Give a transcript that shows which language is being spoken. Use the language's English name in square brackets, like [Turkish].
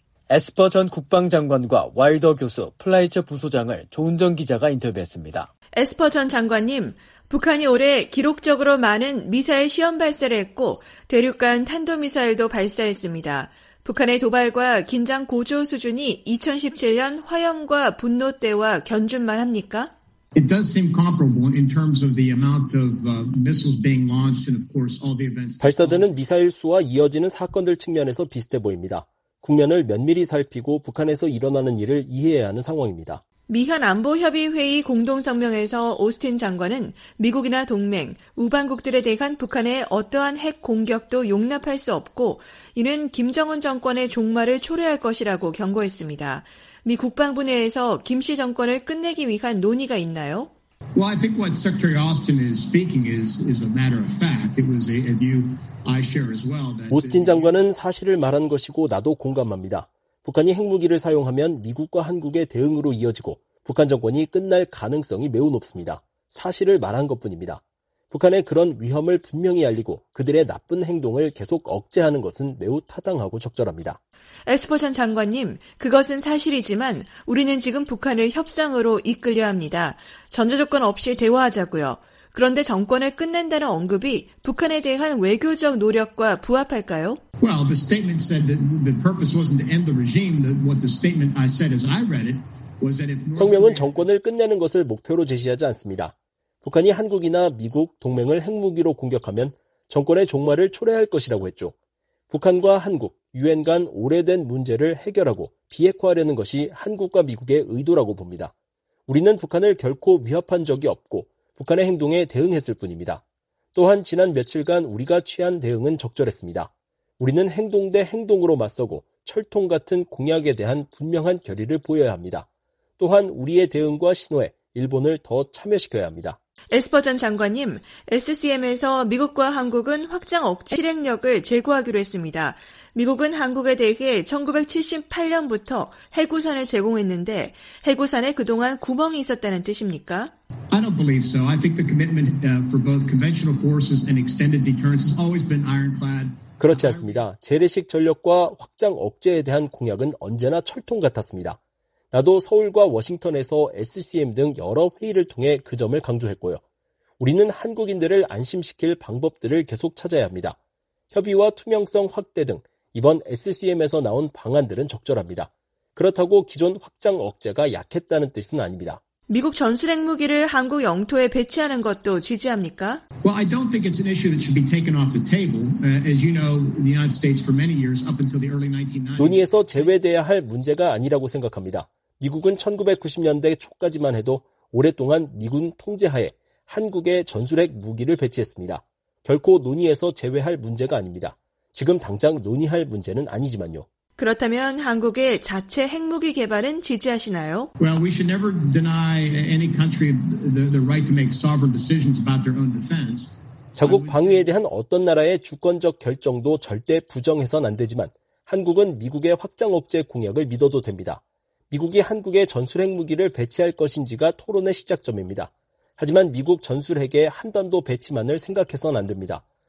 [Korean] 에스퍼 전 국방장관과 와일더 교수, 플라이처 부소장을 조은정 기자가 인터뷰했습니다. 에스퍼 전 장관님, 북한이 올해 기록적으로 많은 미사일 시험 발사를 했고 대륙간 탄도미사일도 발사했습니다. 북한의 도발과 긴장 고조 수준이 2017년 화염과 분노 때와 견줄만 합니까? [English] It does seem comparable in terms of the amount of missiles being launched and of course all the events. [Korean] 발사되는 미사일 수와 이어지는 사건들 측면에서 비슷해 보입니다. 국면을 면밀히 살피고 북한에서 일어나는 일을 이해해야 하는 상황입니다. 미한 안보협의회의 공동성명에서 오스틴 장관은 미국이나 동맹, 우방국들에 대한 북한의 어떠한 핵 공격도 용납할 수 없고 이는 김정은 정권의 종말을 초래할 것이라고 경고했습니다. 미 국방부 내에서 김 씨 정권을 끝내기 위한 논의가 있나요? [English] Well, I think what Secretary Austin is speaking is a matter of fact. It was a view I share as well. [Korean] 오스틴 장관은 사실을 말한 것이고 나도 공감합니다. 북한이 핵무기를 사용하면 미국과 한국의 대응으로 이어지고 북한 정권이 끝날 가능성이 매우 높습니다. 사실을 말한 것뿐입니다. 북한의 그런 위험을 분명히 알리고 그들의 나쁜 행동을 계속 억제하는 것은 매우 타당하고 적절합니다. 에스퍼 전 장관님, 그것은 사실이지만 우리는 지금 북한을 협상으로 이끌려 합니다. 전제조건 없이 대화하자고요. 그런데 정권을 끝낸다는 언급이 북한에 대한 외교적 노력과 부합할까요? [English] Well, the statement said that the purpose wasn't to end the regime. What the statement I said as I read it was that if [Korean] 성명은 정권을 끝내는 것을 목표로 제시하지 않습니다. 북한이 한국이나 미국, 동맹을 핵무기로 공격하면 정권의 종말을 초래할 것이라고 했죠. 북한과 한국, 유엔 간 오래된 문제를 해결하고 비핵화하려는 것이 한국과 미국의 의도라고 봅니다. 우리는 북한을 결코 위협한 적이 없고 북한의 행동에 대응했을 뿐입니다. 또한 지난 며칠간 우리가 취한 대응은 적절했습니다. 우리는 행동 대 행동으로 맞서고 철통 같은 공약에 대한 분명한 결의를 보여야 합니다. 또한 우리의 대응과 신호에 일본을 더 참여시켜야 합니다. 에스퍼 전 장관님, SCM에서 미국과 한국은 확장 억제 실행력을 제고하기로 했습니다. 미국은 한국에 대해 1978년부터 핵우산을 제공했는데 핵우산에 그동안 구멍이 있었다는 뜻입니까? [English] I don't believe so. I think the commitment for both conventional forces and extended deterrence has always been ironclad. [Korean] 그렇지 않습니다. 재래식 전력과 확장 억제에 대한 공약은 언제나 철통 같았습니다. 나도 서울과 워싱턴에서 SCM 등 여러 회의를 통해 그 점을 강조했고요. 우리는 한국인들을 안심시킬 방법들을 계속 찾아야 합니다. 협의와 투명성 확대 등 이번 SCM에서 나온 방안들은 적절합니다. 그렇다고 기존 확장 억제가 약했다는 뜻은 아닙니다. 미국 전술 핵무기를 한국 영토에 배치하는 것도 지지합니까? [English] Well, I don't think it's an issue that should be taken off the table. As you know, the United States for many years up until the early 1990s. [Korean] 논의에서 제외돼야 할 문제가 아니라고 생각합니다. 미국은 1990년대 초까지만 해도 오랫동안 미군 통제하에 한국의 전술 핵무기를 배치했습니다. 결코 논의에서 제외할 문제가 아닙니다. 지금 당장 논의할 문제는 아니지만요. 그렇다면 한국의 자체 핵무기 개발은 지지하시나요? [English] Well, we should never deny any country the right to make sovereign decisions about their own defense. [Korean] 자국 방위에 대한 어떤 나라의 주권적 결정도 절대 부정해서는 안 되지만 한국은 미국의 확장 억제 공약을 믿어도 됩니다. 미국이 한국에 전술 핵무기를 배치할 것인지가 토론의 시작점입니다. 하지만 미국 전술 핵의 한 단도 배치만을 생각해서는 안 됩니다.